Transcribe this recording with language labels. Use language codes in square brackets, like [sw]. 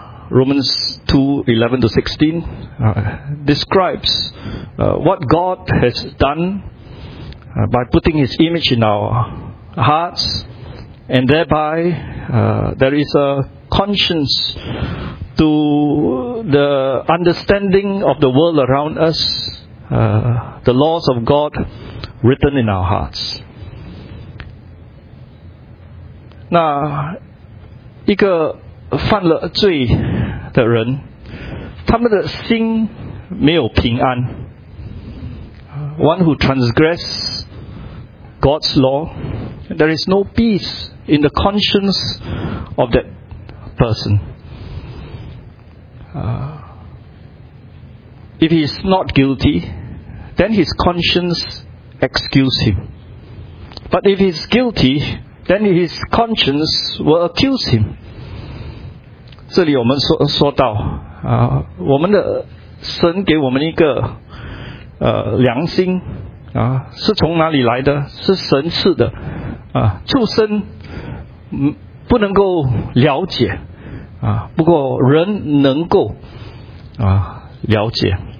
[en] Romans 2:11-16 describes what God has done by putting His image in our hearts, and thereby there is a conscience to the understanding of the world around us, the laws of God written in our hearts. [zh] 那一个犯了罪的人，他们的心没有平安。 [en] One who transgresses God's law, there is no peace in the conscience of that person. If he is not guilty, then his conscience excuses him. But if he is guilty, then his conscience will accuse him. [zh] 这里我们 说到我们的神给我们一个良心是从哪里来的？是神赐的畜生不能够了解不过人能够了解。